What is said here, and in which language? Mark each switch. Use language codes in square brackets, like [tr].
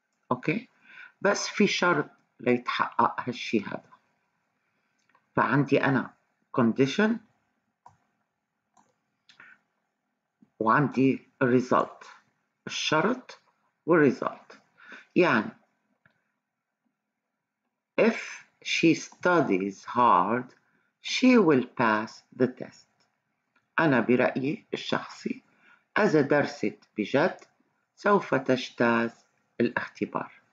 [ar] أوكي، بس في شرط ليتحقق هالشي هذا. فعندي أنا condition وعندي result، الشرط والresult. يعني [en] if she studies hard she will pass the test. [ar] أنا برأيي الشخصي إذا درست بجد سوف تجتاز الاختبار.